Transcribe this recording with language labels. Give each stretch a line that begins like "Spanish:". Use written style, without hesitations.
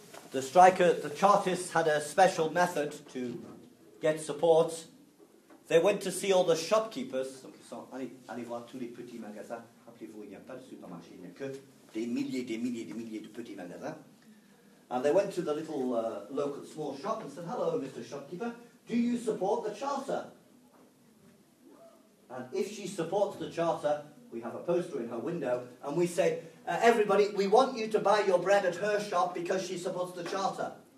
English: The Chartists had a special method to get support. They went to see all the shopkeepers.
French: Donc ils sont allés voir tous les petits magasins. Rappelez-vous, il n'y a pas de supermarché, il n'y a que des milliers, des milliers, des milliers de petits magasins.
English: And they went to the little local small shop and said, "Hello, Mr. Shopkeeper, do you support the charter?" And if she supports the charter, we have a poster in her window, and we say, "Everybody, we want you to buy your bread at her shop because she supports the charter.